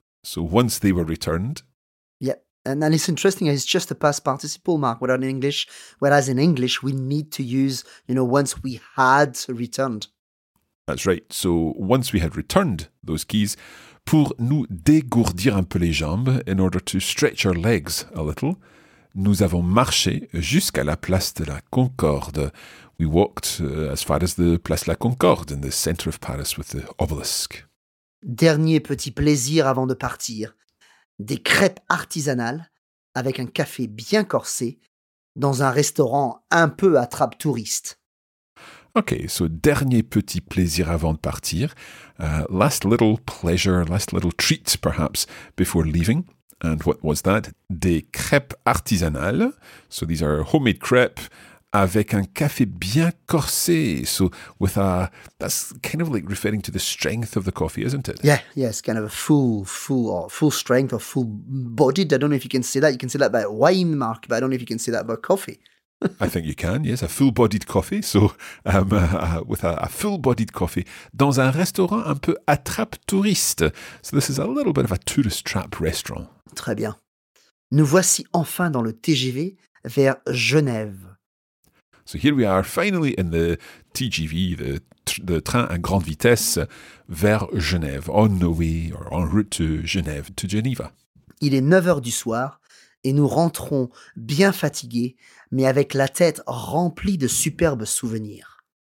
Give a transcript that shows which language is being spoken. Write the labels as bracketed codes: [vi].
[en] So once they were returned. And it's interesting, it's just a past participle, Mark, whereas in English, we need to use, you know, once we had returned. That's right. So once we had returned those keys, [fr] pour nous dégourdir un peu les jambes, [en] in order to stretch our legs a little, [fr] nous avons marché jusqu'à la place de la Concorde. [en] We walked as far as the Place la Concorde in the center of Paris with the obelisk. [fr] Dernier petit plaisir avant de partir. Des crêpes artisanales avec un café bien corsé dans un restaurant un peu attrape-touriste. Ok, so dernier petit plaisir avant de partir. [en] Last little pleasure, last little treat perhaps before leaving. And what was that? [fr] Des crêpes artisanales. [en] So these are homemade crêpes [fr] avec un café bien corsé. [en] So with a, that's kind of like referring to the strength of the coffee, isn't it? Yeah, yeah, it's kind of a full strength or full bodied. I don't know if you can say that. You can say that about wine, Mark, but I don't know if you can say that about coffee. I think you can, yes, a full-bodied coffee. So, with a full-bodied coffee [fr] dans un restaurant un peu attrape-touriste. [en] So this is a little bit of a tourist trap restaurant. [fr] Très bien. Nous voici enfin dans le TGV vers Genève. [en] So here we are finally in the TGV, the train à grande vitesse [fr] vers Genève, [en] on the way or en route to Genève, to Geneva. [fr] Il est 9h du soir et nous rentrons bien fatigués, mais avec la tête remplie de superbes souvenirs.